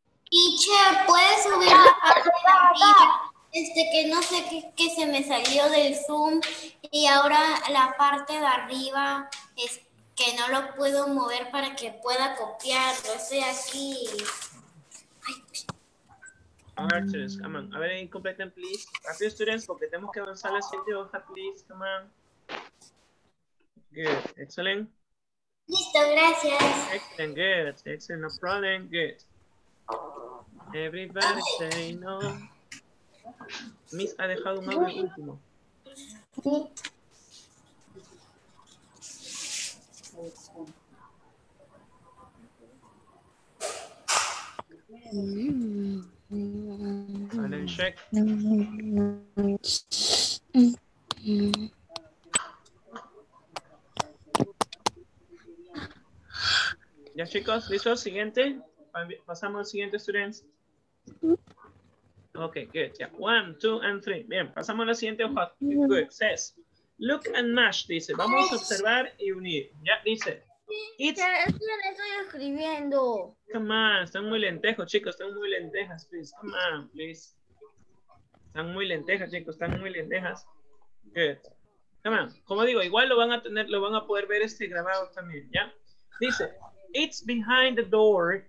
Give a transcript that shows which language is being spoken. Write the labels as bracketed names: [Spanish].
[Spanish] Teacher, ¿puedes subir la pantalla? Este, que no sé qué se me salió del Zoom y ahora la parte de arriba es que no lo puedo mover para que pueda copiarlo. Estoy aquí. Ay. [English] All right, students, come on. [Spanish] A ver, completen, [English] please. [Spanish] Rápido, students, porque tenemos que avanzar la siguiente hoja, please. [English] Come on. Good. Excellent. [Spanish] Listo, gracias. [English] Excellent, good. Excellent, no problem. Good. Everybody say no. [Spanish] Miss ha dejado un audio último. Sí. [English] And check. [Spanish] Ya, chicos, listo, siguiente. Pasamos al siguiente, students. [English] Okay, good. Yeah. One, two, and three. [Spanish] Bien, pasamos a la siguiente hoja. [English] Good. Says, look and match, dice. [Spanish] Vamos a observar y unir. Ya, dice. [English] It's... [Spanish] Ya, estoy escribiendo. [English] Come on, [Spanish] están muy lentejos, chicos. Están muy lentejas, [English] please. Come on, please. [Spanish] Están muy lentejas, chicos. Están muy lentejas. [English] Good. Come on. [Spanish] Como digo, igual lo van a tener, lo van a poder ver este grabado también, ¿ya? [English] Dice, it's behind the door.